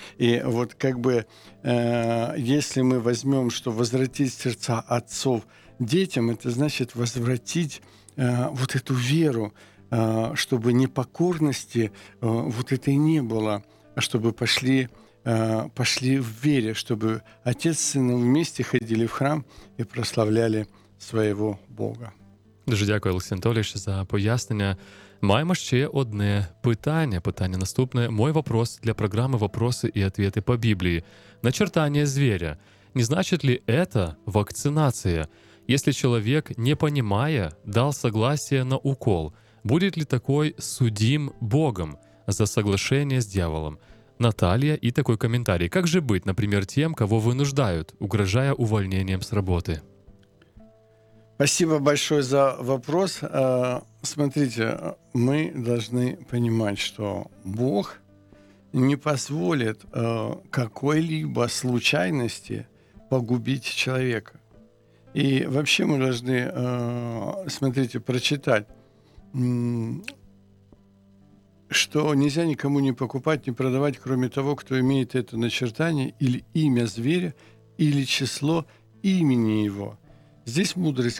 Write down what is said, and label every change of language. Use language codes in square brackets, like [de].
[ru] И вот как бы если мы возьмем, что возвратить сердца отцов детям, это значит возвратить вот эту веру, чтобы непокорности вот этой не было, а чтобы пошли в вере, чтобы отец с сыном вместе ходили в храм и прославляли своего Бога. [uk] Дуже дякую, Олексій Анатолійович, за пояснення. Маємо ще одне питання. Питання наступне. [ru] Мой вопрос для [uk] програми «Вопроси і відповіді по Біблії». Начертання звіря. Не значить ли це вакцинація? Якщо чоловік не розуміє, дав согласие на укол, буде ли такий судим Богом за соглашение з дьяволом? Наталія і такий коментар. Як же бути, наприклад, тим, кого винуждають, угрожая увольненням з роботи? [ru] Спасибо большое за вопрос. Смотрите, мы должны понимать, что Бог не позволит какой-либо случайности погубить человека. И вообще мы должны, смотрите, прочитать, что нельзя никому не покупать, не продавать, кроме того, кто имеет это начертание или имя зверя, или число имени его. Здесь мудрость.